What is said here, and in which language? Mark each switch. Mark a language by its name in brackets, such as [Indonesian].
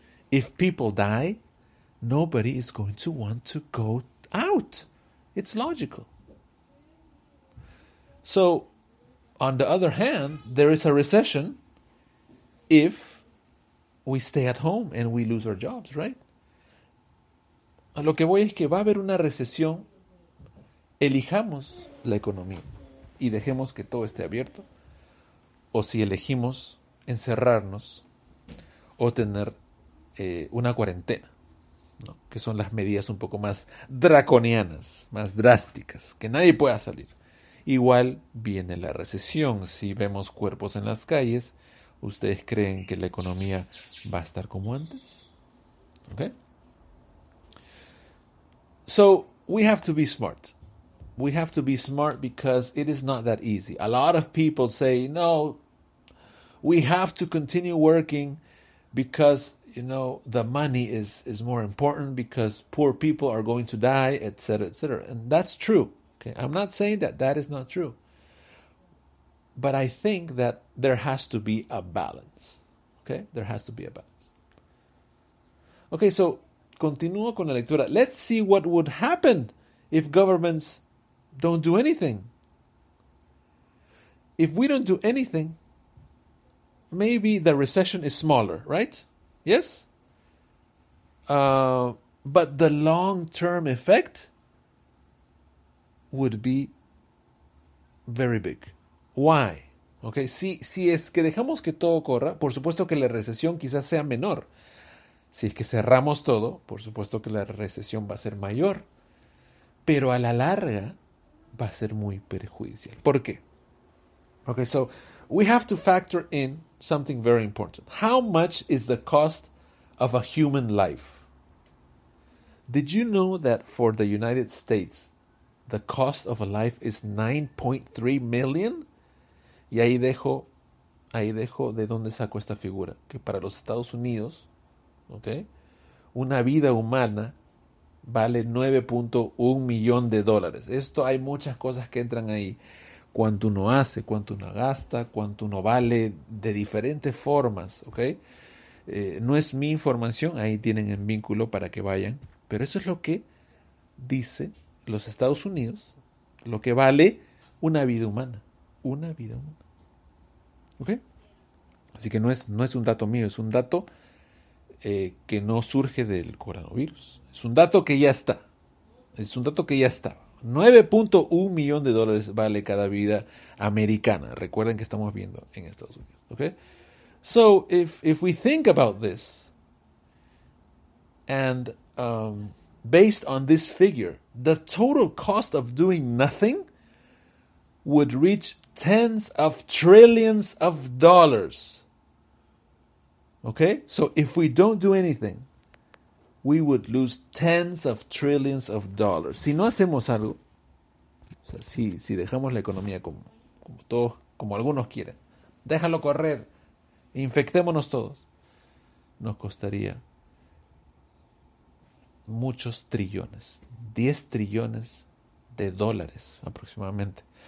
[English] If people die, nobody is going to want to go out. It's logical. So, on the other hand, there is a recession if we stay at home and we lose our jobs, right? [Spanish] A lo que voy es que va a haber una recesión. Elijamos la economía y dejemos que todo esté abierto. O si elegimos encerrarnos o tener una cuarentena, ¿no? Que son las medidas un poco más draconianas, más drásticas, que nadie pueda salir. Igual viene la recesión. Si vemos cuerpos en las calles, ¿ustedes creen que la economía va a estar como antes? [English] Okay. So, we have to be smart. We have to be smart because it is not that easy. A lot of people say, no, we have to continue working because, you know, the money is more important because poor people are going to die, etc., etc. And that's true. Okay, I'm not saying that that is not true. But I think that there has to be a balance. Okay, there has to be a balance. [Spanish] Okay, so continúo con la lectura. [English] Let's see what would happen if governments don't do anything. If we don't do anything, maybe the recession is smaller, right? Yes? But the long-term effect would be very big. Why? [Spanish] Okay, si es que dejamos que todo corra, por supuesto que la recesión quizás sea menor. Si es que cerramos todo, por supuesto que la recesión va a ser mayor. Pero a la larga va a ser muy perjudicial. ¿Por qué? [English] Okay, so we have to factor in something very important. How much is the cost of a human life? Did you know that for the United States, the cost of a life is 9.3 million. [Spanish] Y ahí dejo de dónde saco esta figura. Que para los Estados Unidos, okay, una vida humana vale 9.1 millón de dólares. Esto hay muchas cosas que entran ahí. Cuánto uno hace, cuánto uno gasta, cuánto uno vale de diferentes formas. Okay? No es mi información, ahí tienen el vínculo para que vayan. Pero eso es lo que dice los Estados Unidos, lo que vale una vida humana. Una vida humana. ¿Ok? Así que no es un dato mío, es un dato que no surge del coronavirus. Es un dato que ya está. Es un dato que ya está. 9.1 millón de dólares vale cada vida americana. Recuerden que estamos viendo en Estados Unidos. ¿Ok? [English] So, if we think about this, and based on this figure, the total cost of doing nothing would reach tens of trillions of dollars. Okay? So if we don't do anything, we would lose tens of trillions of dollars. [Spanish] Si no hacemos algo, o sea, si dejamos la economía como todos, como algunos quieren, déjalo correr, infectémonos todos, nos costaría muchos trillones, 10 trillones de dólares aproximadamente.